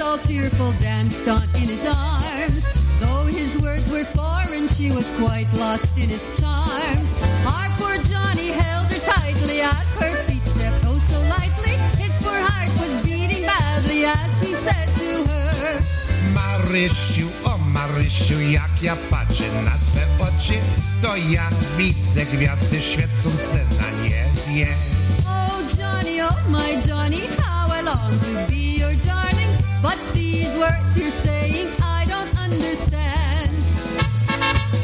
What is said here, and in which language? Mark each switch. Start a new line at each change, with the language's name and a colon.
English: Tearful danced on in his arms. Though his words were foreign, she was quite lost in his charms. Our poor Johnny held her tightly as her feet stepped oh so lightly. His poor heart was beating badly as he said to her,
Polish: Marysiu, o Marysiu, jak ja patrzę na twe oczy, to ja widzę gwiazdy świecące na niebie.
English: Oh Johnny, oh my Johnny, how I long to be your darling, but these words you're saying, I don't understand.